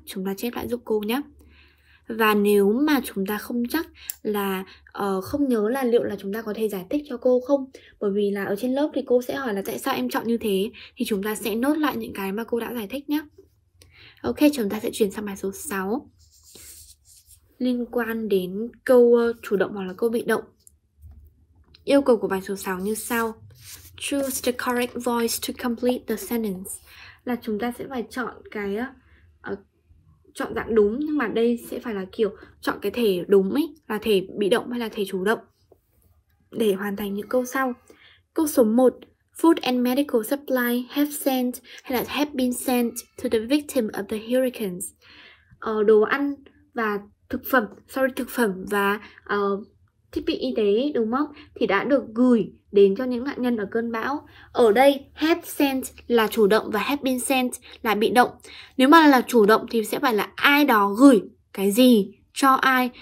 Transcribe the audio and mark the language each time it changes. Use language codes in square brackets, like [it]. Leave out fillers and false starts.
[vi] Chúng ta chép lại giúp cô nhé. Và nếu mà chúng ta không chắc là không nhớ là liệu là chúng ta có thể giải thích cho cô không, bởi vì là ở trên lớp thì cô sẽ hỏi là tại sao em chọn như thế, thì chúng ta sẽ nốt lại những cái mà cô đã giải thích nhé. Ok, chúng ta sẽ chuyển sang bài số 6, liên quan đến câu chủ động hoặc là câu bị động. Yêu cầu của bài số 6 như sau. [en] Choose the correct voice to complete the sentence. [vi] Là chúng ta sẽ phải chọn cái chọn dạng đúng, nhưng mà đây sẽ phải là kiểu chọn cái thể đúng ấy, là thể bị động hay là thể chủ động để hoàn thành những câu sau. Câu số 1, [en] food and medical supply have sent [vi] hay là [en] have been sent to the victim of the hurricanes. [vi] Đồ ăn và thực phẩm, sorry, thực phẩm và thiết bị y tế, đúng không? Thì đã được gửi đến cho những nạn nhân ở cơn bão. Ở đây, [en] have sent [vi] là chủ động và [en] have been sent [vi] là bị động. Nếu mà là chủ động thì sẽ phải là ai đó gửi cái gì cho ai.